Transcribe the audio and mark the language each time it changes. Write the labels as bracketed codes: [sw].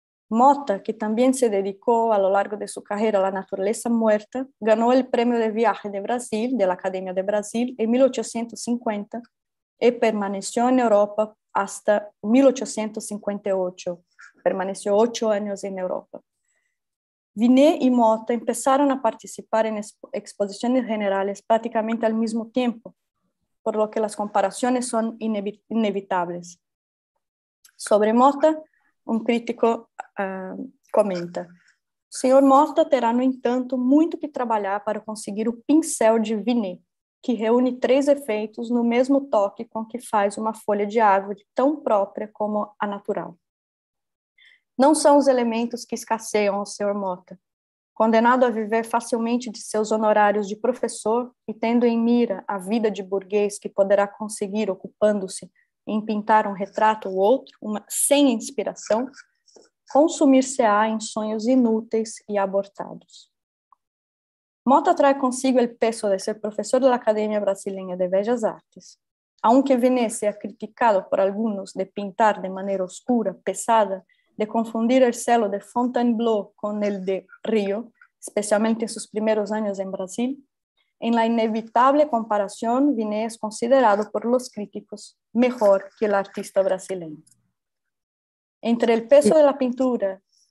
[es] Mota, que también se dedicó a lo largo de su carrera a la naturaleza muerta, ganó el premio de viaje de Brasil, de la Academia de Brasil, en 1850, y permaneció en Europa hasta 1858. Permaneció 8 años en Europa. Vinet y Mota empezaron a participar en exposiciones generales prácticamente al mismo tiempo, por lo que las comparaciones son inevitables. Sobre Mota, un crítico comenta: [pt] "Señor Mota terá, no entanto, muito que trabalhar para conseguir o pincel de Vinet, que reúne 3 efeitos no mesmo toque com que faz uma folha de árvore tão própria como a natural." Não são os elementos que escasseiam ao Sr. Mota. Condenado a viver facilmente de seus honorários de professor e tendo em mira a vida de burguês que poderá conseguir ocupando-se em pintar um retrato ou outro, sem inspiração, consumir-se-á em sonhos inúteis e abortados. [es] Mota trae consigo el peso de ser profesor de la Academia Brasileña de Bellas Artes. Aunque Vinet sea criticado por algunos de pintar de manera oscura, pesada, de confundir el cielo de Fontainebleau con el de Río, especialmente en sus primeros años en Brasil, en la inevitable comparación, Vinet es considerado por los críticos mejor que el artista brasileño. Entre el peso de la pintura